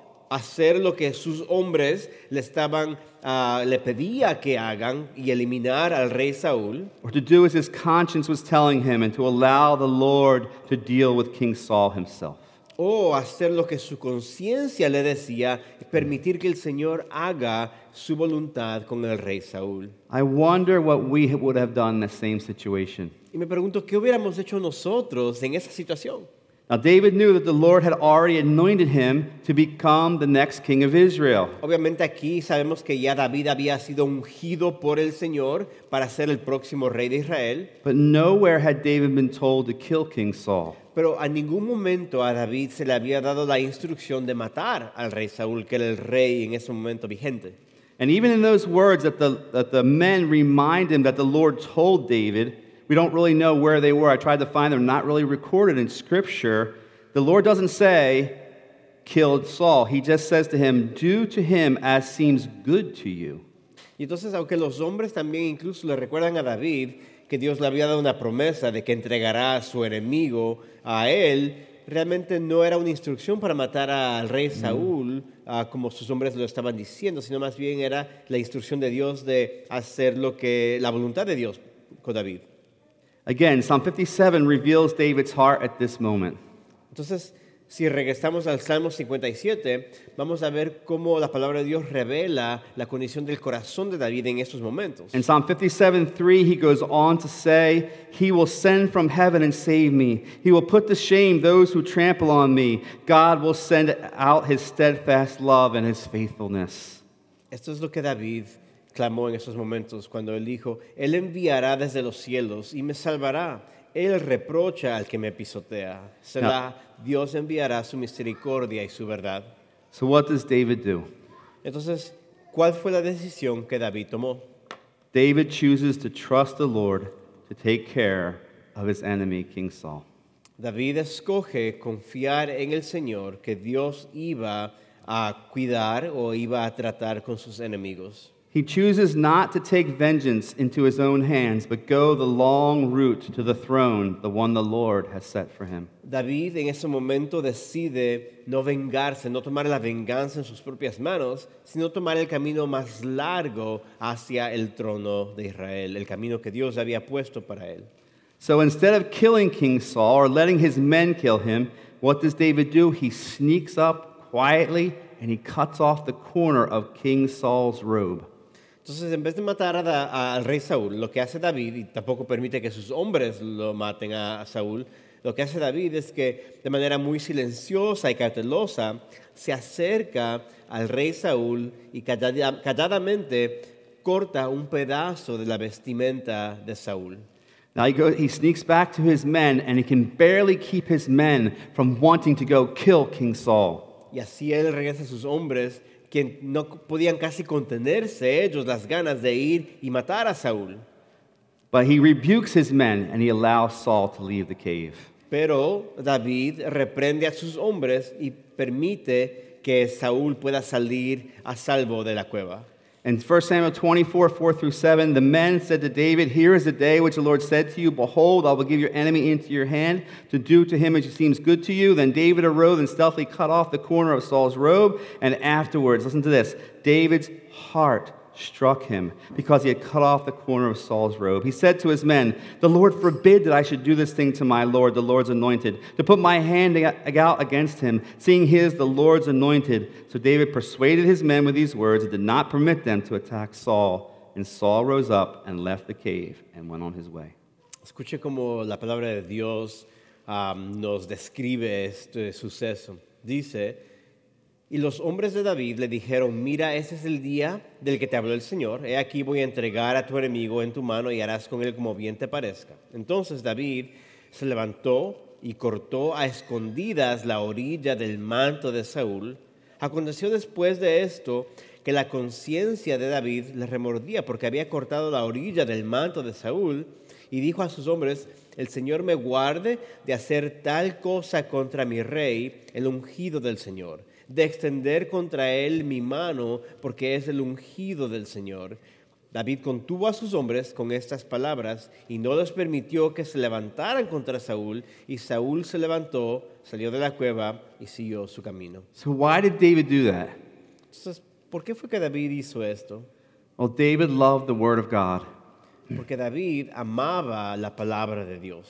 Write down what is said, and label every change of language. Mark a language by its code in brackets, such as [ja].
[es] Hacer lo que sus hombres le estaban, le pedía que hagan y eliminar al rey Saúl. [en] Or to do as his conscience was telling him and to allow the Lord to deal with King Saul himself. [es] O hacer lo que su conciencia le decía y permitir que el Señor haga su voluntad con el rey Saúl. [en] I wonder what we would have done in the same situation. [es] Y me pregunto, ¿qué hubiéramos hecho nosotros en esa situación? [en] Now, David knew that the Lord had already anointed him to become the next king of Israel. [es] Obviamente aquí sabemos que ya David había sido ungido por el Señor para ser el próximo rey de Israel. [en] But nowhere had David been told to kill King Saul. [es] Pero a ningún momento a David se le había dado la instrucción de matar al rey Saúl, que era el rey en ese momento vigente. [en] And even in those words that the men remind him that the Lord told David, we don't really know where they were. I tried to find them, not really recorded in Scripture. The Lord doesn't say, killed Saul. He just says to him, do to him as seems good to you. [es] Y entonces, aunque los hombres también incluso le recuerdan a David que Dios le había dado una promesa de que entregará a su enemigo a él, realmente no era una instrucción para matar al rey Saúl, como sus hombres lo estaban diciendo, sino más bien era la instrucción de Dios de hacer lo que la voluntad de Dios con David. [en] Again, Psalm 57 reveals David's heart at this moment. [es] Entonces, si regresamos al Salmo 57, vamos a ver cómo la palabra de Dios revela la condición del corazón de David en estos momentos. [en] In Psalm 57:3, he goes on to say, he will send from heaven and save me. He will put to shame those who trample on me. God will send out his steadfast love and his faithfulness. [es] Esto es lo que David clamó en esos momentos cuando él dijo, él enviará desde los cielos y me salvará. Él reprocha al que me pisotea. Selah, Dios enviará su misericordia y su verdad. [en] So what does David do? [es] Entonces, ¿cuál fue la decisión que David tomó? [en] David chooses to trust the Lord to take care of his enemy, King Saul. [es] David escoge confiar en el Señor que Dios iba a cuidar o iba a tratar con sus enemigos. [en] He chooses not to take vengeance into his own hands, but go the long route to the throne, the one the Lord has set for him. [es] David, en ese momento, decide no vengarse, no tomar la venganza en sus propias manos, sino tomar el camino más largo hacia el trono de Israel, el camino que Dios había puesto para él. [en] So instead of killing King Saul or letting his men kill him, what does David do? He sneaks up quietly and he cuts off the corner of King Saul's robe. [es] Entonces, en vez de matar al rey Saúl, lo que hace David, y tampoco permite que sus hombres lo maten a Saúl, lo que hace David es que, de manera muy silenciosa y cautelosa, se acerca al rey Saúl y calladamente corta un pedazo de la vestimenta de Saúl. [en] Now he sneaks back to his men, and he can barely keep his men from wanting to go kill King Saul. [es] Y así él regresa a sus hombres, que no podían casi contenerse ellos las ganas de ir y matar a Saúl. [en] But he rebukes his men and he allows Saul to leave the cave. [es] Pero David reprende a sus hombres y permite que Saúl pueda salir a salvo de la cueva. [en] In 1 Samuel 24, 4 through 7, the men said to David, here is the day which the Lord said to you, behold, I will give your enemy into your hand to do to him as it seems good to you. Then David arose and stealthily cut off the corner of Saul's robe. And afterwards, listen to this, David's heart struck him because he had cut off the corner of Saul's robe. He said to his men, the Lord forbid that I should do this thing to my Lord, the Lord's anointed, to put my hand out against him, seeing he is the Lord's anointed. So David persuaded his men with these words and did not permit them to attack Saul. And Saul rose up and left the cave and went on his way. [es] Escuche como la palabra de Dios nos describe este suceso. Dice, y los hombres de David le dijeron, mira, ese es el día del que te habló el Señor. He aquí voy a entregar a tu enemigo en tu mano y harás con él como bien te parezca. Entonces David se levantó y cortó a escondidas la orilla del manto de Saúl. Aconteció después de esto que la conciencia de David le remordía porque había cortado la orilla del manto de Saúl y dijo a sus hombres, el Señor me guarde de hacer tal cosa contra mi rey, el ungido del Señor, de extender contra él mi mano, porque es el ungido del Señor. David contuvo a sus hombres con estas palabras, y no les permitió que se levantaran contra Saúl, y Saúl se levantó, salió de la cueva, y siguió su camino. [en] So why did David do that? [es] Entonces, ¿por qué fue que David hizo esto? [en] Well, David loved the word of God. [es] Porque David amaba la palabra de Dios.